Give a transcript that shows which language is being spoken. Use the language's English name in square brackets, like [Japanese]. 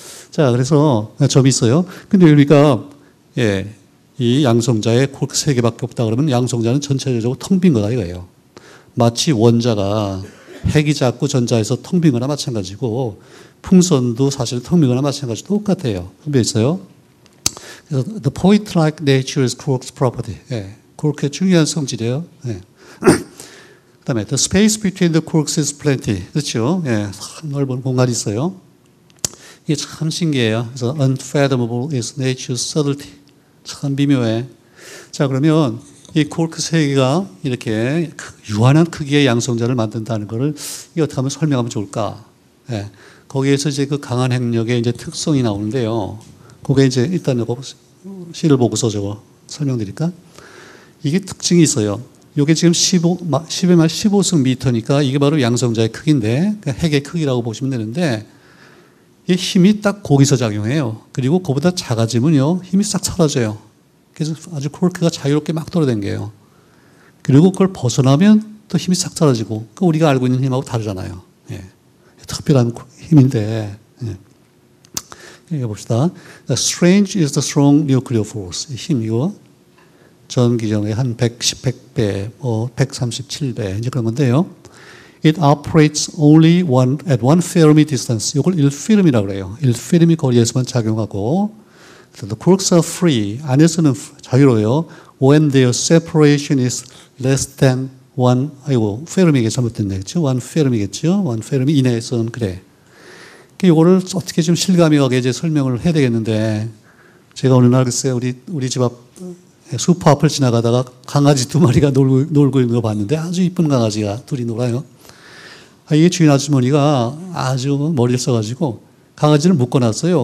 [Korean] 자, 그래서 점이 있어요. 근데 그러니까 예, 이 양성자의 쿼크 세 개밖에 없다 그러면 양성자는 전체적으로 텅 빈 거다 이거예요. 마치 원자가 핵이 작고 전자에서 텅 빈 거나 마찬가지고 풍선도 사실 텅 빈 거나 마찬가지 똑같아요. 준비 있어요? 그래서 [English] the point like nature is quark's property. [Korean] 예, 쿼크의 중요한 성질이에요. 예. 그다음에 [English] the space between the quarks is plenty. [Korean] 그렇죠? 예, 넓은 공간이 있어요. 이게 참 신기해요. 그래서 [English] unfathomable is nature's subtlety. [Korean] 참 미묘해. 자, 그러면 이 쿼크 세 개가 이렇게 유한한 크기의 양성자를 만든다는 것을 이게 어떻게 하면 설명하면 좋을까? 예. 거기에서 이제 그 강한 핵력의 이제 특성이 나오는데요. 그게 이제 일단 이거 시를 보고서 저거 설명드릴까? 이게 특징이 있어요. 이게 지금 10에 15승 미터니까 이게 바로 양성자의 크기인데, 그러니까 핵의 크기라고 보시면 되는데, 이 힘이 딱 거기서 작용해요. 그리고 그보다 작아지면요, 힘이 싹 사라져요. 그래서 아주 쿼크가 자유롭게 막 돌아다녀요. 그리고 그걸 벗어나면 또 힘이 싹 사라지고, 그 우리가 알고 있는 힘하고 다르잖아요. 예. 특별한 힘인데, 예. 얘기해 봅시다. [English] The strange is the strong nuclear force. [Korean] 이 힘, 이거. 전기력의 한 110배, 뭐, 137배, 이제 그런 건데요. [English] It operates only at one Fermi distance. [Korean] 이걸 1Fermi라고 그래요. 1Fermi 거리에서만 작용하고, [English] so the quarks are free. [Korean] 안에서는 자유로워요. [English] When their separation is less than one, [Korean] 아이고, Fermi가 잘못됐네. 그렇죠? [English] One Fermi겠죠? [Korean] One Fermi 이내에서는 그래. 이거를 어떻게 좀 실감이하게 이제 설명을 해야 되겠는데, 제가 어느 날 글쎄 우리 집 앞, 수퍼 앞을 지나가다가 강아지 두 마리가 놀고 있는 거 봤는데, 아주 이쁜 강아지가 둘이 놀아요. 이게 주인 아주머니가 아주 머리를 써가지고 강아지를 묶어놨어요.